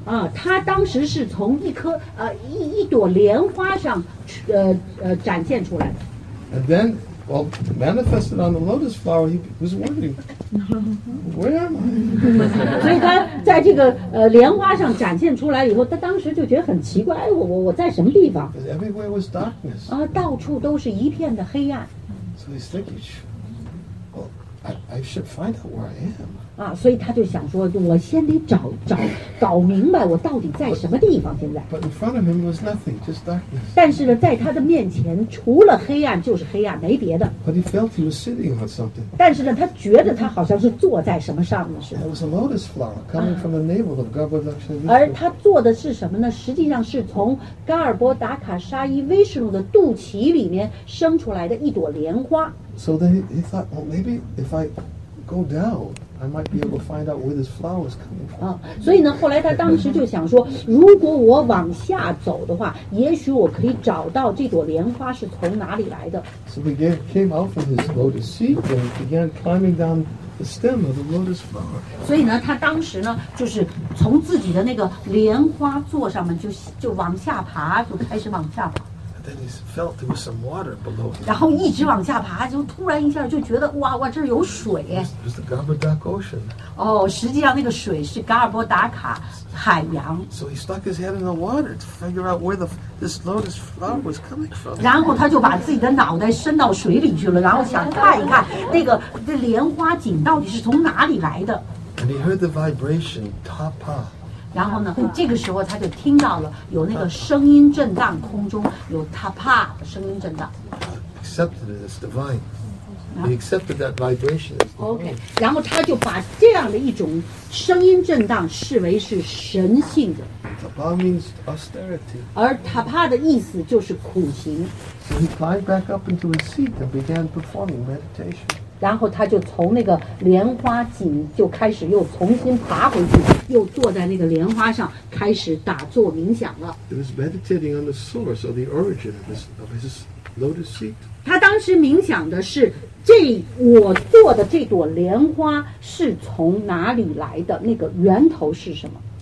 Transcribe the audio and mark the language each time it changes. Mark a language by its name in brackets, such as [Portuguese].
[Chinese] 啊，他当时是从一颗一朵莲花上，展现出来的。 [English] And then, well, manifested on the lotus flower, he was wondering, where am I? [Chinese] 所以他在这个莲花上展现出来以后，他当时就觉得很奇怪，我在什么地方 [English] ？Because everywhere was darkness. [Chinese] 啊，到处都是一片的黑暗。 [English] So he's thinking, well, I should find out where I am. [Chinese] 啊，所以他就想说，我先得找搞明白我到底在什么地方。现在 [English] But in front of him was nothing, just darkness. [Chinese] 但是呢，在他的面前除了黑暗就是黑暗，没别的。 [English] But he felt he was sitting on something. [Chinese] 但是呢，他觉得他好像是坐在什么上面似的。 [English] It was a lotus flower coming from the navel of Garbhodakshini. [Chinese] 而他坐的是什么呢？实际上是从噶尔波达卡沙伊威士努的肚脐里面生出来的一朵莲花。 [English] So then he thought, well, maybe if I go down. I might be able to find out where this flower is coming from. [Chinese] 所以呢，后来他当时就想说，如果我往下走的话，也许我可以找到这朵莲花是从哪里来的。 [English] So he came out from his lotus seat and began climbing down the stem of the lotus flower. [Chinese] 所以呢，他当时呢，就是从自己的那个莲花座上面就往下爬，就开始往下爬。 [English] Then he felt there was some water below him. [Chinese] 然后一直往下爬，就突然一下就觉得哇，这儿有水。 [English] It's the Gabardak Ocean. [Chinese] 哦，实际上那个水是嘎尔波达卡海洋。 [English] So he stuck his head in the water to figure out where this lotus flower was coming from. [Chinese] 然后他就把自己的脑袋伸到水里去了，然后想看一看那个莲花井到底是从哪里来的。 [English] And he heard the vibration, ta pa. [Chinese] 然后呢，这个时候他就听到了有那个声音震荡，空中有他啪的声音震荡。 [English] Accepted it as divine. He accepted that vibration. [Chinese] OK， 然后他就把这样的一种声音震荡视为是神性的。 [English] 他啪 means austerity. [Chinese] 而他啪的意思就是苦行。 [English] So he climbed back up into his seat and began performing meditation. [Chinese] 然后他就从那个莲花井就开始又重新爬回去，又坐在那个莲花上开始打坐冥想了。 [English] He was meditating on the source or the origin of his lotus seat. [Chinese] 他当时冥想的是这我坐的这朵莲花是从哪里来的，那个源头是什么？